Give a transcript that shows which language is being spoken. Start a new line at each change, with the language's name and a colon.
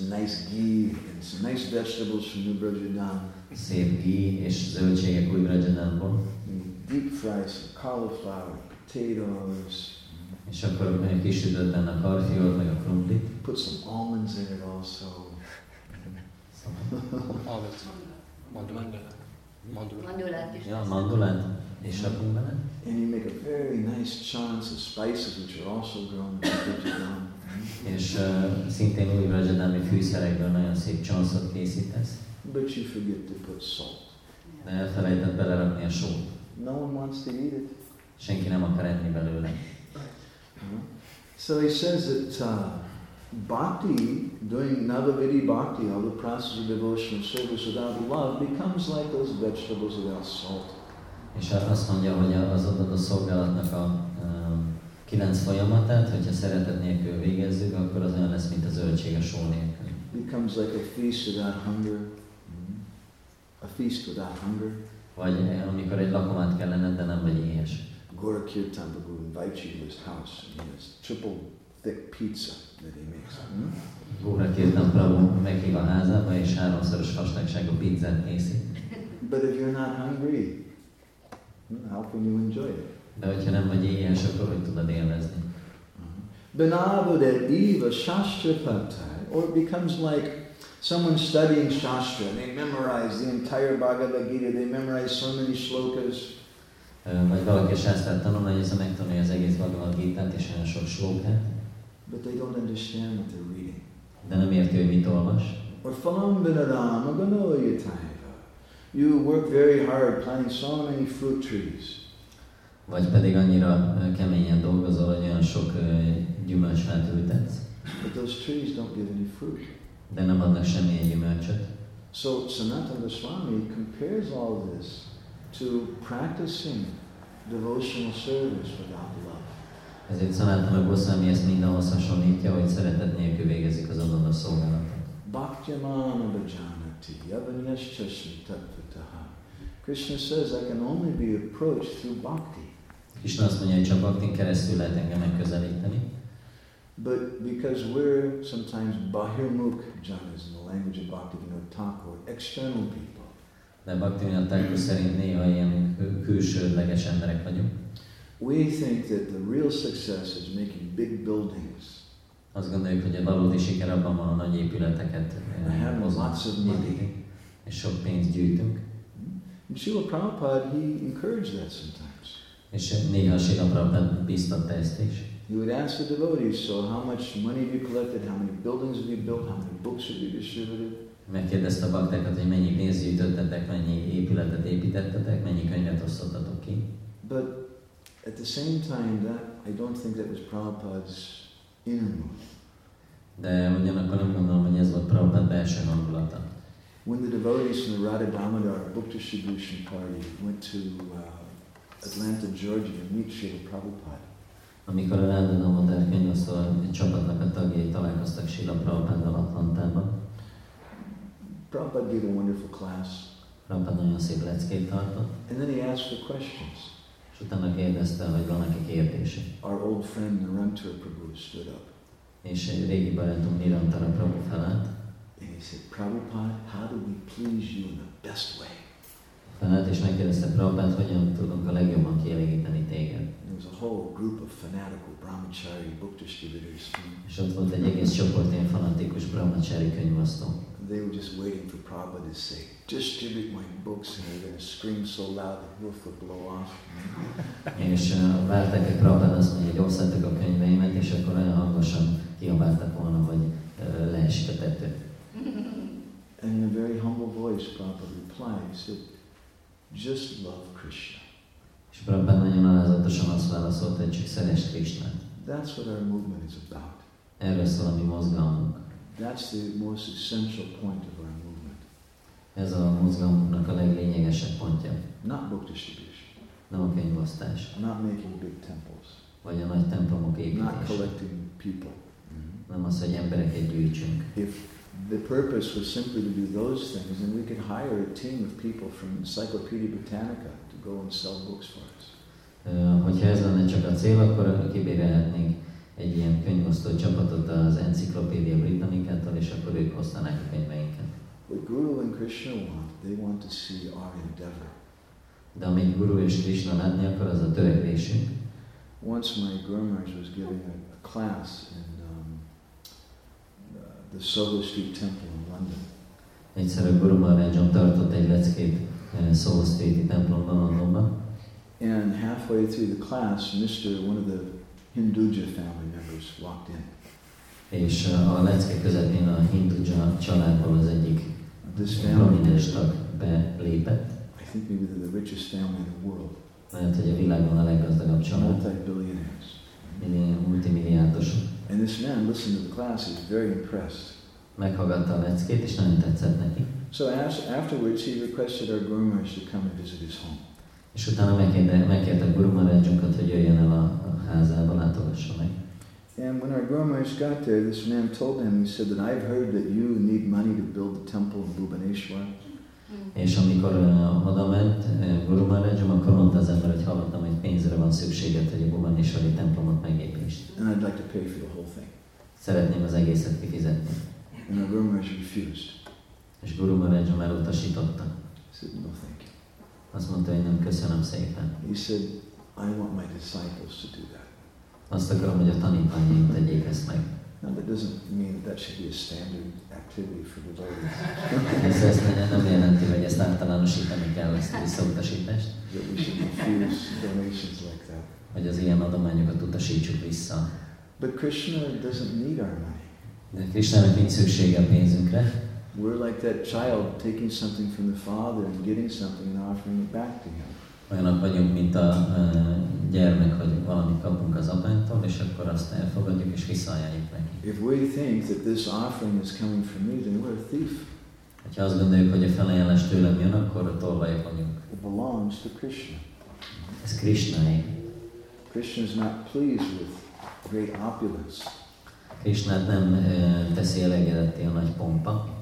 English: a nice ghee and some nice vegetables from New Brajadam.
Hungarian: Szép ghee és zöldségek Új Brajadamból.
English: Deep fried some cauliflower, potatoes.
Hungarian: És akkor egy kis üdötben a karfiol, meg a krumplit.
English: Put some almonds in it also. Almonds.
Hungarian: Mandulát. Mandulát. Ja, mandulát. És
English: and you make a very nice chants of spices which are also grown in Brajadam.
Hungarian: És szintén Új Brajadami fűszerekből nagyon szép chantsot készítesz.
English: But you forget to put salt.
Hungarian: De elfelejted belerakni a sót.
English: No one wants to eat it.
Hungarian: Senki nem akar enni belőle.
English: So he says that bhakti, doing Navavidhi bhakti, all the process of devotional service without love, becomes like those vegetables without salt.
Hungarian: És azt mondja, hogy az adat a szolgálatnak a 9 folyamatát, hogyha szeretet nélkül végezzük, akkor az olyan lesz, mint a zöldség a só nélkül.
English: Becomes like a feast without hunger. A feast without hunger.
Hungarian: Vagy amikor egy lakomát kellene, de nem vagy éhes.
English: Gaura Kirtan Prabhu invites you to his house and he has triple thick pizza that he makes.
Hungarian: Gaura Kirtan Prabhu meghív a házába és háromszoros vastagságú pizzát készít.
English: But if you're not hungry, how can you enjoy it?
Hungarian: De hogyha nem vagy éhes, akkor hogy tudod élvezni?
Sanskrit: Benavodet eva shastra pattai,
English: or it becomes like Someone studying Shastra, they memorize the entire Bhagavad Gita, they memorize so many shlokas. But they don't understand what they're reading.
Hungarian: De nem érti, hogy mit olvas.
Sanskrit: Or falam binadam, aganoyataiva.
English: You work very hard planting so many fruit trees.
Hungarian: Vagy pedig annyira keményen dolgozol, hogy olyan sok gyümölcsfát ültetsz.
English: But those trees don't give any fruit.
Hungarian: De nem adnak semmilyen gyümölcsöt.
English: So Sanatana Goswami compares all this to practicing devotional service without love.
Hungarian: Ezért Sanatana Goswami ezt mindenhoz hasonlítja, hogy szeretet nélkül végezik az adott szolgálatot.
Sanskrit: Bhaktyamana bhajanati yavanyascha sritattvataha.
English: Krishna says I can only be approached through bhakti.
Hungarian: Krishna azt mondja, hogy csak bhaktin keresztül lehet engem megközelíteni.
English: But because we're sometimes bahirmukh janas in the language of Bhaktivinoda Thakur, external people.
Hungarian: De Bhaktivinoda Thakur szerint néha ilyen külsődleges emberek vagyunk.
English: We think that the real success is making big buildings.
Hungarian: Azt gondoljuk, hogy a valódi siker abban van a nagy épületeket.
English: I have lots of money.
Hungarian: És sok pénzt gyűjtünk.
English: And Srila Prabhupada, he encouraged that sometimes.
Hungarian: És néha Srila Prabhupada bíztatta ezt is.
English: He would ask the devotees, so how much money have you collected, how many buildings have you built, how many books have you distributed?
Hungarian: Megkérdezte a baktákat, hogy mennyi pénzt gyűjtöttetek, mennyi épületet építettetek, mennyi könyvet osztottatok ki.
English: But at the same time, that I don't think that was Prabhupada's innermost.
Hungarian: De ugyanakkor nem gondolom, hogy ez volt Prabhupada belső hangulata.
English: When the devotees from the Radha Damodar book distribution party went to Atlanta, Georgia, to meet Srila Prabhupada.
Hungarian: Amikor a Radha Damodar könyvosztó csapatnak a tagjai találkoztak Srila Prabhupada Atlantában.
English: Prabhupada gave a wonderful class.
Hungarian: Prabhupada nagyon szép leckét tartott.
English: And then he asked for questions.
Hungarian: És utána kérdezte, hogy van neki kérdése.
English: Our old friend Narantara Prabhu stood up.
Hungarian: És egy régi barátunk Narantara Prabhu felállt.
English: And he said, Prabhupada, how do we please you in the best way?
Hungarian: Fanát is megkérdezte Prabhupát, hogyan tudunk a legjobban kielégíteni téged.
English: There was a whole group of fanatical brahmachari book distributors.
Hungarian: És ott volt egy egész csoport ilyen fanatikus brahmachari könyvosztó.
English: They were just waiting for Prabhupada to say, distribute my books, and they're going to scream so loud the roof would blow off.
Hungarian: És várták, hogy Prabhupada azt mondja, hogy osszátok a könyveimet, és akkor olyan hangosan kiabáltak volna, hogy leesik a tető.
English: And in a very humble voice, Prabhupada replied, he said, just love Krishna.
Hungarian: És Prabhupada nagyon alázatosan azt válaszolta, hogy csak szeresd Krisztát.
English: That's what our movement is about.
Hungarian: Erről szól a mi mozgalmunk.
English: That's the most essential point of our movement.
Hungarian: Ez a mozgalmunknak a leglényegesebb pontja.
English: Not book distribution.
Hungarian: Nem a könyvosztás.
English: Not making big temples.
Hungarian: Vagy a nagy templomok építése.
English: Not collecting people.
Hungarian: Nem az, hogy embereket gyűjtsünk.
English: The purpose was simply to do those things, and we could hire a team of people from Encyclopedia Britannica to go and sell books for us.
Hungarian: Hogyha ez lenne csak a cél, akkor kibérelhetnénk egy ilyen könyvosztó csapatot az Encyclopedia Britannicától, és akkor ők osztanák a könyveinket.
English: What Guru and Krishna want, they want to see our endeavor.
Hungarian: De amit Guru és Krishna látni, akkor az a törekvésünk.
English: Once my Guru Maharaj was giving a class in the Soho Street Temple in London.
Hungarian: Egyszer a Guru Maharajam tartott egy leckét Soho Street templomban Londonban.
English: And halfway through the class, one of the Hinduja family members walked in.
Hungarian: És a lecke közepén a Hinduja családból az egyik prominens tag belépett.
English: I think maybe they're the richest family in the world.
Hungarian: Lehet, hogy a világon a leggazdagabb család.
English: Multi-billionaires.
Hungarian: Multimilliárdosok.
English: And this man listened to the class, he was very impressed.
Hungarian: Meghallgatta a leckét, és nagyon tetszett neki.
English: So afterwards he requested our Guru Maharaj to come and visit his home.
Hungarian: És utána megkérte a Guru Maharajunkat, hogy jöjjön el a házába, látogasson meg.
English: And when our Guru Maharaj got there, this man told him, he said that I've heard that you need money to build the temple in Bhubaneswar.
Hungarian: És amikor oda ment Guru Maharajam, akkor mondta az ember, hogy hallottam, hogy pénzre van szükséged, hogy a Bhubaneswari templomot megépítsd.
English: And I'd like to pay for the whole thing.
Hungarian: Szeretném az egészet kifizetni.
English: And our Guru Maharaj refused.
Hungarian: És Guru Maharajam elutasította.
English: He said, no, thank you.
Hungarian: Azt mondta, hogy nem, köszönöm szépen.
English: He said, I want my disciples to do that.
Hungarian: Azt akarom, hogy a tanítványaim tegyék ezt meg.
English: No, that doesn't mean that, that should be a standard activity for devotees.
Hungarian: Ez azt nem jelenti, hogy ezt általánosítani kell, ezt a visszautasítást.
English: That we should refuse donations like that.
Hungarian: Hogy az ilyen adományokat utasítsuk vissza.
English: But Krishna doesn't need our money.
Hungarian: De Krishnának nincs szüksége a pénzünkre.
English: We're like that child taking something from the father and getting something and offering it back to him.
Hungarian: Olyanok vagyunk, mint a gyermek, hogy valamit kapunk az apánktól, és akkor azt elfogadjuk és visszaajánljuk neki.
English: If we think that this offering is coming from me, then we're a thief.
Hungarian: Hogyha azt gondoljuk, hogy a felajánlás tőlem jön, akkor a tolvajok vagyunk.
English: It belongs to Krishna.
Hungarian: Ez Krishnáé.
English: Krishna is not pleased with great opulence.
Hungarian: Krishnát nem teszi elegedetté a nagy pompa.